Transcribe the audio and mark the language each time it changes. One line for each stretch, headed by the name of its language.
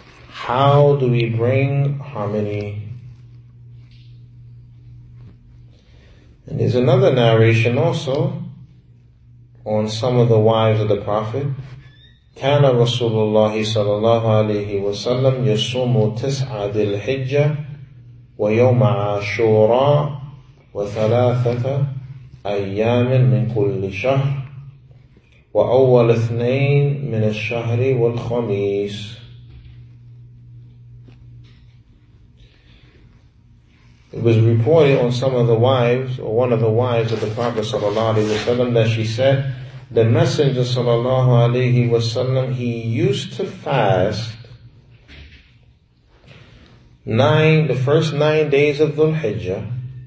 English: How do we bring harmony? And there's another narration also on some of the wives of the Prophet.
Arabic: كان رسول الله صلى الله عليه وسلم يصوم تسعة ذي الحجة ويوم عاشوراء وثلاثة أيام من كل شهر وأول اثنين من الشهر والخميس.
English: It was reported on some of the wives, or one of the wives of the Prophet sallallahu alaihi wasallam, that she said, the Messenger sallallahu alaihi wasallam, he used to fast the first nine days of Dhul-Hijjah.